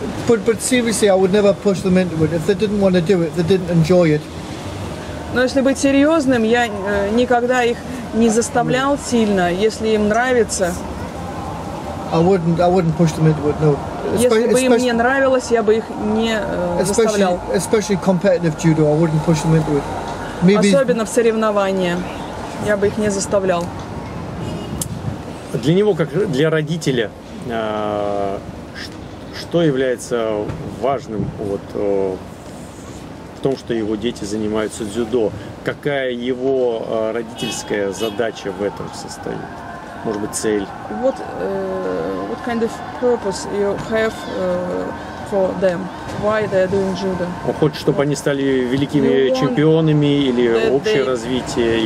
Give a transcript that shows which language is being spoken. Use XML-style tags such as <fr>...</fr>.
<en>But seriously, I would never push them into it if they didn't want to do it.</en> <ru>Но если быть серьезным, я никогда их не заставлял сильно, если им нравится.</ru> <en>I wouldn't push them into it.</en> <ru>Если бы им не нравилось, я бы их не заставлял.</ru> <en>Especially competitive judo, I wouldn't push them into it. Maybe...</en> <ru>Особенно в соревнования я бы их не заставлял. Для него, как для родителя, что является важным вот, в том, что его дети занимаются дзюдо? Какая его родительская задача в этом состоит? Может быть, цель?</ru> <en>What kind of purpose you have for them? Why they are doing judo?</en> <ru>Он хочет, чтобы они стали великими чемпионами или общее развитие?</ru>